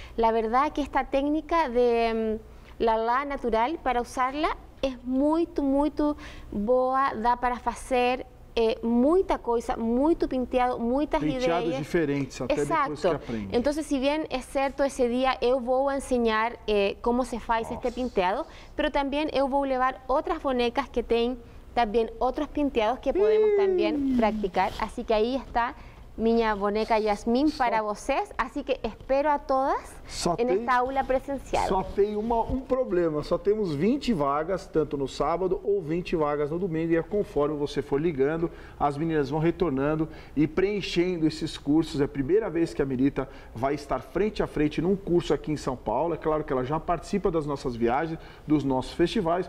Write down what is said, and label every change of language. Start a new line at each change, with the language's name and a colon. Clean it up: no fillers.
Spanish: La verdad que esta técnica de la lana natural para usarla es muy, muy boa, da para hacer mucha cosa, muy pinteado, muchas ideas. Penteados diferentes, hasta después que aprende. Entonces, si bien es cierto, ese día yo voy a enseñar cómo se hace este pinteado, pero también yo voy a llevar otras bonecas que tienen también otros pinteados que podemos también practicar. Así que ahí está mi boneca Yasmín para vocês. Así que espero a todas esta aula presencial.
Portuguese: Só tem um problema, só temos 20 vagas, tanto no sábado ou 20 vagas no domingo, e é conforme você for ligando, as meninas vão retornando e preenchendo esses cursos. É a primeira vez que a Mirita vai estar frente a frente num curso aqui em São Paulo. É claro que ela já participa das nossas viagens, dos nossos festivais.